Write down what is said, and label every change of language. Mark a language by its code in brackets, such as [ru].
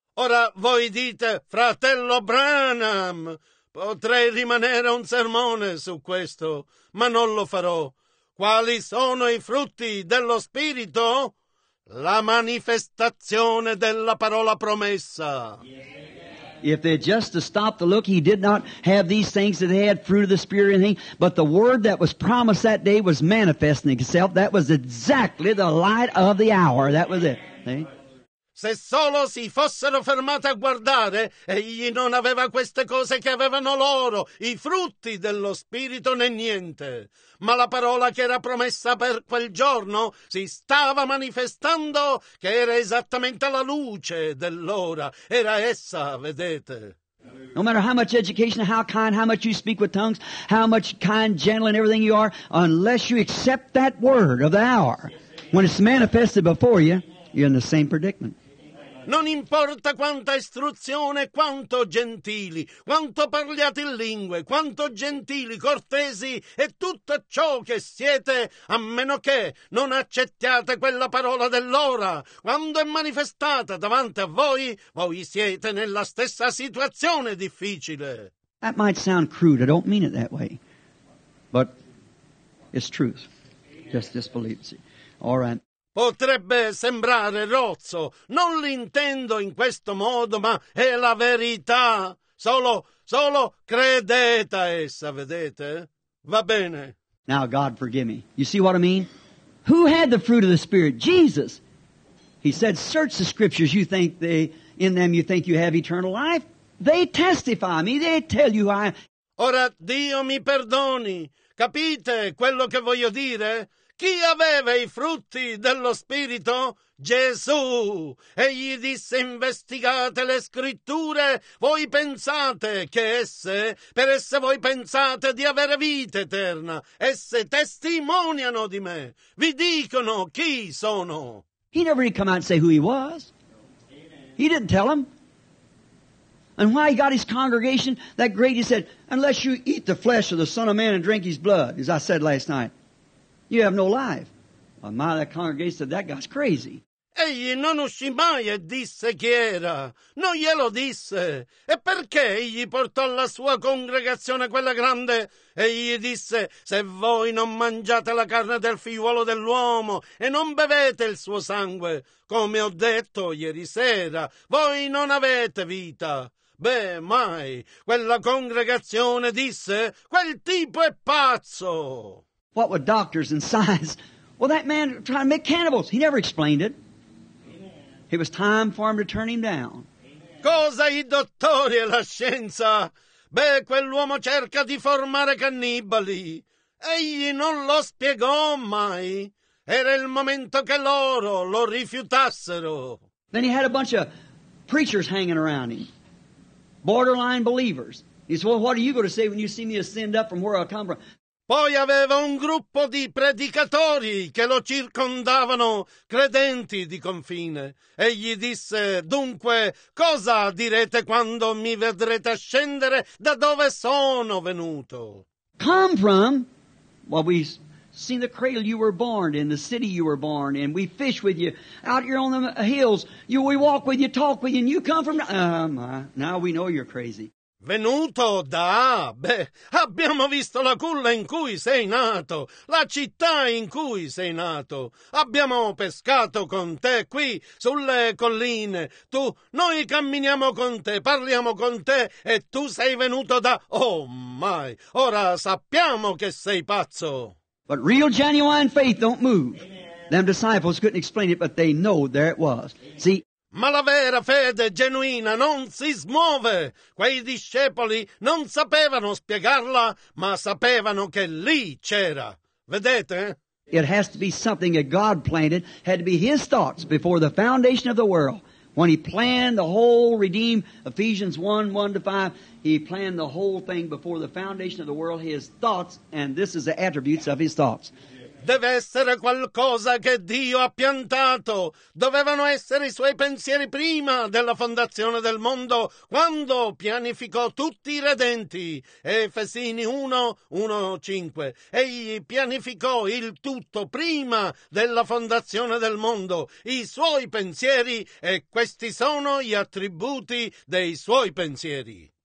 [it] Ora voi dite, fratello Branham, potrei rimanere un sermone su questo, ma non lo farò. Quali sono i frutti dello Spirito? La manifestazione della parola promessa. [en] If they just to stop to look, he did not have these things that they had, fruit of the Spirit or anything, but the word that was promised that day was manifesting itself. That was exactly the light of the hour. That was it. See? [it] Se solo si fossero fermati a guardare, egli non aveva queste cose che avevano loro, i frutti dello Spirito né niente. Ma la parola che era promessa per quel giorno si stava manifestando, che era esattamente la luce dell'ora. Era essa, vedete. [en] No matter how much education, how kind, how much you speak with tongues, how much kind, gentle, and everything you are, unless you accept that word of the hour, when it's manifested before you, you're in the same predicament. [it] Non importa quanta istruzione, quanto gentili, quanto parliate in lingue, quanto gentili, cortesi e tutto ciò che siete, a meno che non accettiate quella parola dell'ora. Quando è manifestata davanti a voi, voi siete nella stessa situazione difficile. [en] That might sound crude, I don't mean it that way. But it's truth. Just disbelieve. All right. [it] Potrebbe sembrare rozzo, non l'intendo in questo modo, ma è la verità. Solo credete a essa, vedete? Va bene. [en] Now, God, forgive me. You see what I mean? Who had the fruit of the Spirit? Jesus. He said, search the Scriptures. You think they, in them you think you have eternal life? They testify me. They tell you I... [it] Ora, Dio mi perdoni. Capite quello che voglio dire? Chi aveva i frutti dello Spirito? Gesù. Egli disse, investigate le Scritture. Voi pensate che esse, per esse voi pensate di avere vita eterna. Esse testimoniano di me. Vi dicono chi sono. [en] He never did come out and say who he was. He didn't tell them. And why he got his congregation that great, he said, unless you eat the flesh of the Son of Man and drink his blood, as I said last night. You have no life. Well, my congregation said, that guy's crazy. [it] egli non uscì mai e disse chi era. Non glielo disse. E perché egli portò alla sua congregazione quella grande? Egli disse, se voi non mangiate la carne del figliuolo dell'uomo e non bevete il suo sangue, come ho detto ieri sera, voi non avete vita. Beh, mai quella congregazione disse, quel tipo è pazzo. [en] What with doctors and science? Well, that man tried to make cannibals. He never explained it. Amen. It was time for him to turn him down. Amen. [it] Cosa i dottori e la scienza? Beh, quell'uomo cerca di formare cannibali. Egli non lo spiegò mai. Era il momento che loro lo rifiutassero. [en] Then he had a bunch of preachers hanging around him, borderline believers. He said, well, what are you going to say when you see me ascend up from where I come from? [it] Poi aveva un gruppo di predicatori che lo circondavano, credenti di confine. E gli disse, dunque, cosa direte quando mi vedrete ascendere da dove sono venuto? [en] Come from? Well, we've seen the cradle you were born in, the city you were born in. We fish with you out here on the hills. We walk with you, talk with you, and you come from... Now we know you're crazy. [it] Venuto da... Beh, abbiamo visto la culla in cui sei nato, la città in cui sei nato. Abbiamo pescato con te qui, sulle colline. Tu, noi camminiamo con te, parliamo con te, e tu sei venuto da... Oh, mai! Ora sappiamo che sei pazzo! [en] But real genuine faith don't move. Amen. Them disciples couldn't explain it, but they know there it was. Amen. See... [it] Ma la vera fede genuina non si smuove. Quei discepoli non sapevano spiegarla, ma sapevano che lì c'era. Vedete? [en] It has to be something that God planted, had to be His thoughts before the foundation of the world. When He planned the whole redeemed, Ephesians 1:1-5, He planned the whole thing before the foundation of the world, His thoughts, and this is the attributes of His thoughts. [it] Deve essere qualcosa che Dio ha piantato. Dovevano essere i suoi pensieri prima della fondazione del mondo, quando pianificò tutti i redenti. Efesini 1:1-5. Egli pianificò il tutto prima della fondazione del mondo, i suoi pensieri, e questi sono gli attributi dei suoi pensieri.